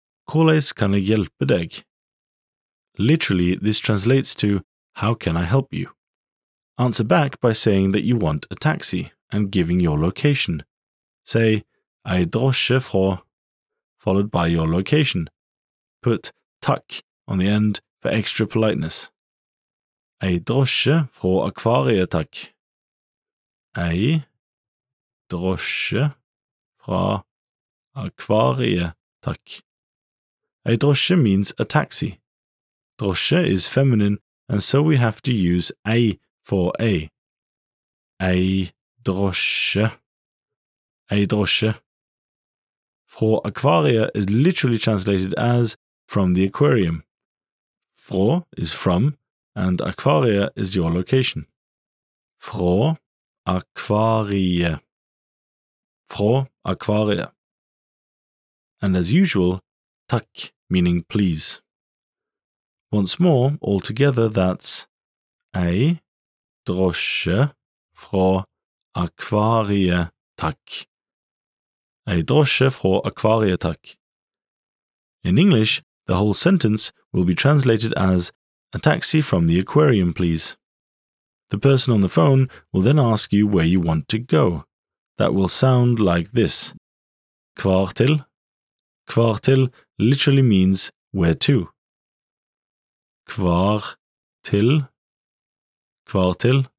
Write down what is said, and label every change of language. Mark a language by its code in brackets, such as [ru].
[no] Hvordan kan jeg hjelpe deg? [en] Literally, this translates to, how can I help you? Answer back by saying that you want a taxi and giving your location. Say, [no] I drosje fra, [en] followed by your location. Put takk on the end for extra politeness. [no] I drosje fra akvariet takk. I drosje fra Akvarie, takk. A drosje [en] means a taxi. Drosje is feminine, and so we have to use a for a. [no] A drosje. A drosje. Fra akvariet [en] is literally translated as from the aquarium. Fra is from, and akvariet is your location. [no] Fra akvariet. Fra akvariet. [en] And as usual, takk, meaning please. Once more, all together, that's [no] ei drosje fra akvariet takk. Ei drosje fra akvariet takk. [en] In English, the whole sentence will be translated as a taxi from the aquarium, please. The person on the phone will then ask you where you want to go. That will sound like this. [no] Hvor til? [en] Hvor til literally means where to. [no] Hvor til? Hvor til?